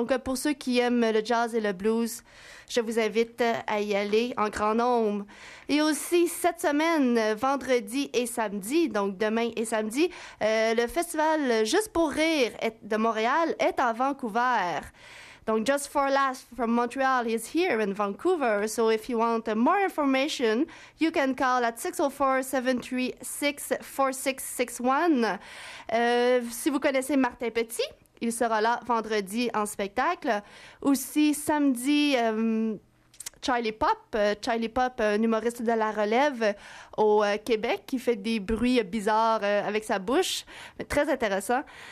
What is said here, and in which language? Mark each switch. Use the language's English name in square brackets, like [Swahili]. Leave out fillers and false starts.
[French] Donc, pour ceux qui aiment le jazz et le blues, je vous invite à y aller en grand nombre. Et aussi, cette semaine, vendredi et samedi, donc demain et samedi, le festival Juste pour rire de Montréal est à Vancouver. [English] Donc, Just for Laughs from Montreal is here in Vancouver. So, if you want more information, you can call at 604-736-4661. [French] Si vous connaissez Martin Petit, il sera là vendredi en spectacle. Aussi, samedi, Charlie Pop, un humoriste de la relève au Québec, qui fait des bruits bizarres avec sa bouche. Mais très intéressant.